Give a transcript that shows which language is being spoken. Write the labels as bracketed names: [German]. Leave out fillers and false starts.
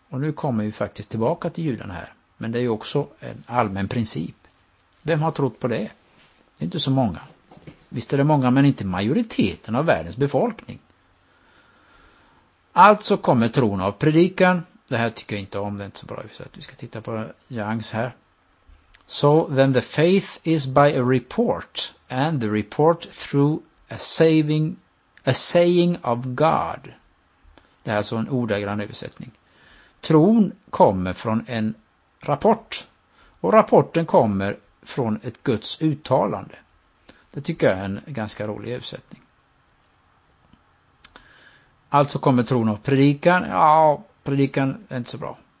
[Swedish] Och nu kommer vi faktiskt tillbaka till judarna här. Men det är ju också en allmän princip. Vem har trott på det? Det är inte så många. Visst är det många, men inte majoriteten av världens befolkning. Alltså kommer tron av predikan. Det här tycker jag inte om, det är inte så bra. Så att vi ska titta på Youngs här. [English] So then the faith is by a report, and the report through a saying of God. [Swedish] Det här är alltså en ordagrann översättning. Tron kommer från en rapport. Och rapporten kommer från ett Guds uttalande. Det tycker jag är en ganska rolig översättning. Alltså kommer tron av predikan. Ja, predikan är inte så bra.